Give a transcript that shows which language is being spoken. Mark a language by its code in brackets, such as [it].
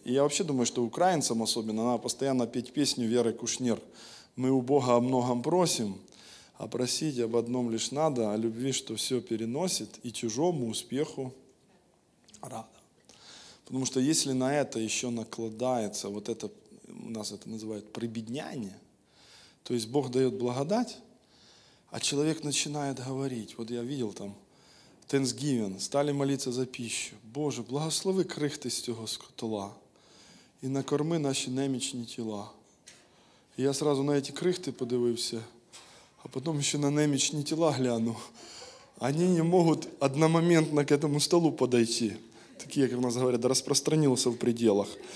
[ru] И я вообще думаю, что украинцам особенно надо постоянно петь песню Веры Кушнир: мы у Бога о многом просим, а просить об одном лишь надо, о любви, что все переносит, и чужому успеху рада. Потому что если на это еще накладается вот это, у нас это называют прибедняние, то есть Бог дает благодать, а человек начинает говорить: вот я видел там Thanksgiving, стали молиться за пищу. [uk] Боже, благослови крихти з цього скотла і накорми наші немічні тіла. І я сразу на ці крихти подивився, а потім ще на немічні тіла гляну. Вони не можуть одномоментно [ru] к этому столу подойти. [uk] Такі, як в нас говорять, розпространилися в пределах.